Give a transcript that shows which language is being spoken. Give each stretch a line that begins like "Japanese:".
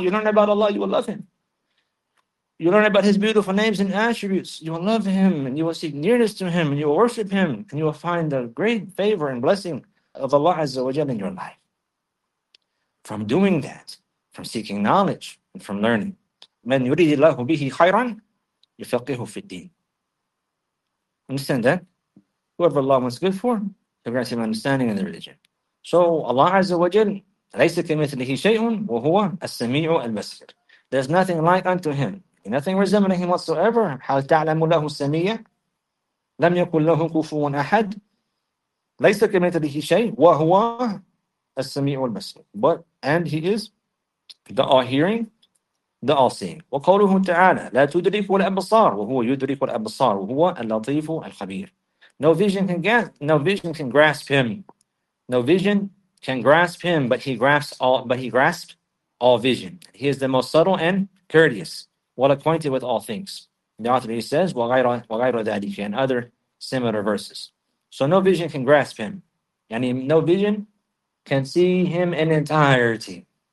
English: You learn about Allah, you will love him. You learn about his beautiful names and attributes. You will love him and you will seek nearness to him and you will worship him and you will find the great favor and blessing of Allah Azza wa Jalla in your life. From doing that, from seeking knowledge and from learning.
Arabic: من يريد الله به خيرا يفقهه في الدين.
English: Understand that? Whoever Allah wants good for, he grants him understanding in the religion.
Arabic: So Allah Azza wa Jal, ليس كمثله شيء وهو السميع البصير.
English: There's nothing like unto him, nothing resembling him whatsoever.
Arabic: هل تعلم له السميع؟ لم يكن له كفوا أحد. ليس كمثله شيء وهو السميع البصير.
English: But and he is the all-hearing, the all-seeing.
Arabic: وقوله تعالى لا تدرك الأبصار وهو يدرك الأبصار وهو اللطيف الخبير.
English: No vision can grasp him. No vision can grasp him, but he grasps all vision. He is the most subtle and courteous, well acquainted with all things. The author he says
Arabic: وغيره ذلك
English: and other similar verses. So no vision can grasp him. Yani no vision can see him in entirety.